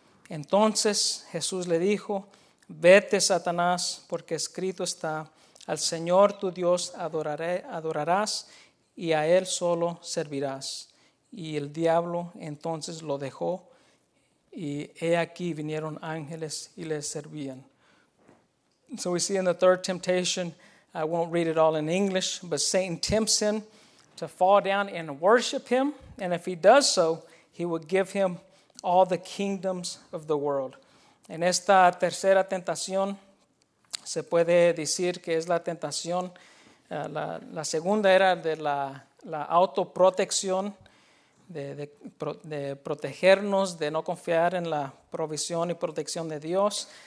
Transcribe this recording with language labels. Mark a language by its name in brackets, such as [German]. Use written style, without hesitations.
[Spanish] Entonces Jesús le dijo, vete Satanás, porque escrito está, al Señor tu Dios adorarás y a Él solo servirás. Y el diablo entonces lo dejó, y he aquí vinieron ángeles y le servían. [English] So we see in the third temptation, I won't read it all in English, but Satan tempts him to fall down and worship him, and if he does so, he will give him all the kingdoms of the world. [Spanish] En esta tercera tentación, se puede decir que es la tentación, la segunda era de la autoprotección, de protegernos, de no confiar en la provisión y protección de Dios.